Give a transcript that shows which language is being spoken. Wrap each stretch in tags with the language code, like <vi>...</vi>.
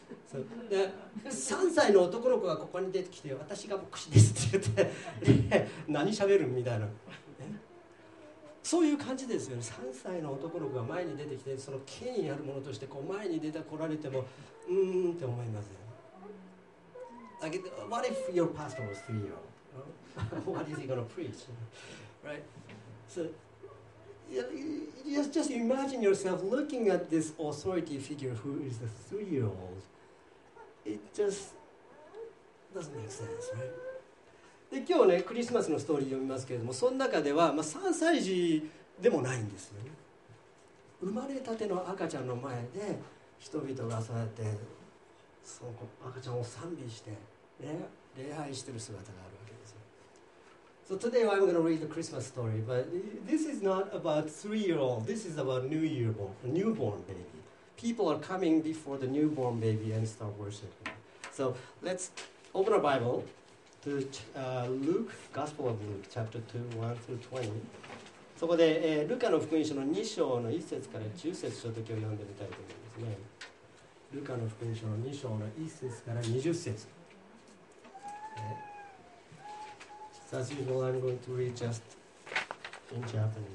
<ja>So, で、3歳の男の子がここに出てきて、私が牧師ですって言って、何喋るみたいな。そういう感じですよね。3歳の男の子が前に出てきて、その権威あるものとしてこう前に出てこられても、うーんって思いますよ。</ja> <en>Like, what if your pastor was 3 years old? What is he going to preach? Right? So, just imagine yourself looking at this authority figure who is a 3-year-old. It just doesn't make sense, right?</en> <ja>で、今日ね、クリスマスのストーリー読みますけれども、その中では、まあ、3歳児でもないんですよね。生まれたての赤ちゃんの前で、人々がそうやって、その赤ちゃんを賛美して、礼拝してる姿があるわけですよ。</ja> <en>So today I'm going to read the Christmas story, but this is not about 3-year-old. This is about newborn baby. People are coming before the newborn baby and start worshiping. So let's open our Bible to Luke, Gospel of Luke, chapter 2, 1 through 20.</en> <ja>そこで、ルカの福音書の2章の1節から10節ちょっと今日読んでみたいと思いますね。ルカの福音書の2章の1節から20節。</ja> <en>As usual, I'm going to read just in Japanese.</en>